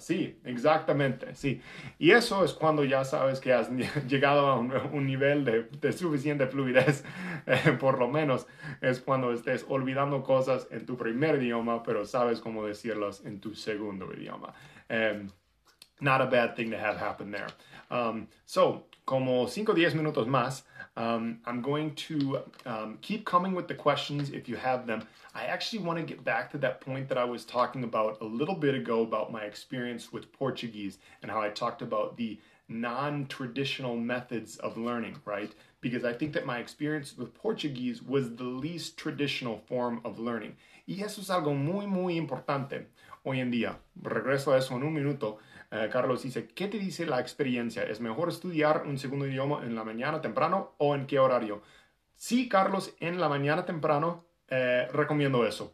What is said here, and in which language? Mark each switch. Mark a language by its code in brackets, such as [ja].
[es] Sí, exactamente, sí. Y eso es cuando ya sabes que has llegado a un nivel de suficiente fluidez, por lo menos es cuando estés olvidando cosas en tu primer idioma, pero sabes cómo decirlas en tu segundo idioma. [en] Not a bad thing to have happen there. So, [es] como 5 o 10 minutos más, [en] I'm going to keep coming with the questions if you have them. I actually want to get back to that point that I was talking about a little bit ago about my experience with Portuguese and how I talked about the non-traditional methods of learning, right? Because I think that my experience with Portuguese was the least traditional form of learning. [es] Y eso es algo muy, muy importante hoy en día. Regreso a eso en un minuto. Carlos dice, ¿qué te dice la experiencia? ¿Es mejor estudiar un segundo idioma en la mañana temprano o en qué horario? Sí, Carlos, en la mañana temprano recomiendo eso.